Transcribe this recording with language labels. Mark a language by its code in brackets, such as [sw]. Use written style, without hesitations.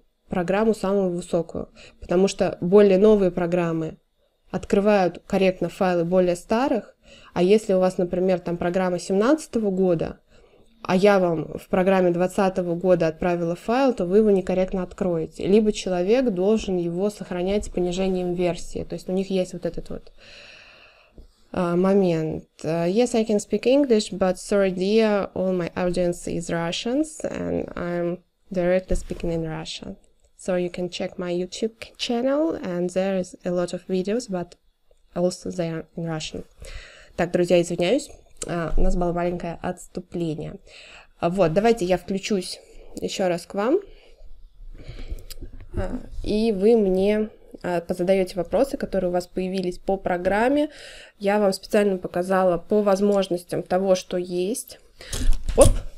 [ru] программу самую высокую, потому что более новые программы открывают корректно файлы более старых, а если у вас, например, там программа 17 года, а я вам в программе 2020 года отправила файл, то вы его некорректно откроете. Либо человек должен его сохранять с понижением версии. То есть у них есть вот этот вот момент. [en] Yes, I can speak English, but sorry dear, all my audience is Russians, and I'm directly speaking in Russian. So you can check my YouTube channel, and there is a lot of videos, but also they are in Russian. [ru] Так, друзья, извиняюсь. У нас было маленькое отступление. Вот, давайте я включусь еще раз к вам. И вы мне позадаете вопросы, которые у вас появились по программе. Я вам специально показала по возможностям того, что есть. Оп!